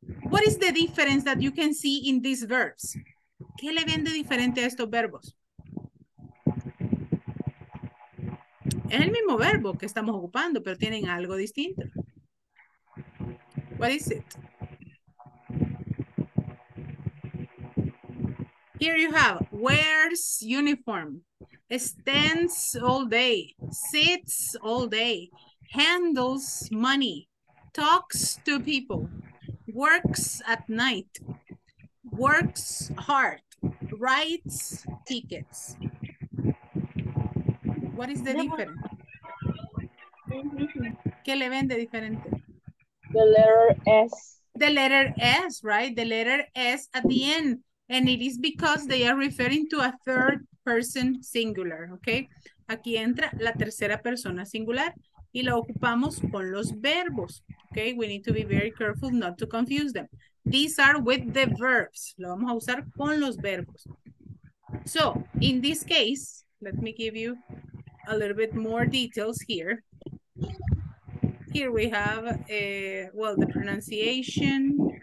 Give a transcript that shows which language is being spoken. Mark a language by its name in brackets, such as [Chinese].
[English] What is the difference that you can see in these verbs? [Spanish] ¿Qué le ven de diferente a estos verbos? Es el mismo verbo que estamos ocupando, pero tienen algo distinto. [English] What is it? Here you have, wears uniform, stands all day, sits all day, handles money, talks to people, works at night, works hard, writes tickets. What is the difference? ¿Qué le ven de diferente? The letter S. The letter S, right? The letter S at the end. And it is because they are referring to a third person singular, okay? [Spanish] Aquí entra la tercera persona singular y la ocupamos con los verbos, okay? [English] We need to be very careful not to confuse them. These are with the verbs. [Spanish] Lo vamos a usar con los verbos. [English] So, in this case, let me give you a little bit more details here. Here we have, the pronunciation.